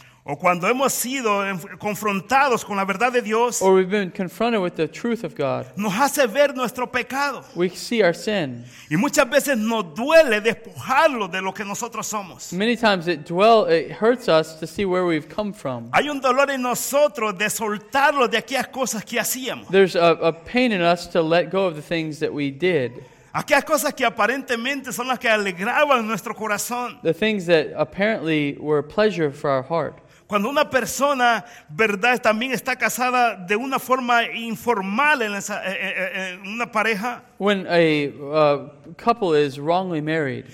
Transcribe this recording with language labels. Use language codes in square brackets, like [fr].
[es] O cuando hemos sido confrontados con la verdad de Dios. [en] Or we've been confronted with the truth of God. [es] Nos hace ver nuestro pecado. [en] We see our sin. [es] Y muchas veces nos duele despojarlo de lo que nosotros somos. [en] Many times it hurts us to see where we've come from. [es] Hay un dolor en nosotros de soltarlo de aquellas cosas que hacíamos. [en] There's a pain in us to let go of the things that we did. [es] Aquellas cosas que aparentemente son las que alegraban nuestro corazón. [en] The things that apparently were pleasure for our heart. [es] Cuando una persona, verdad, también está casada de una forma informal en esa en una pareja. [en] When a couple is wrongly married.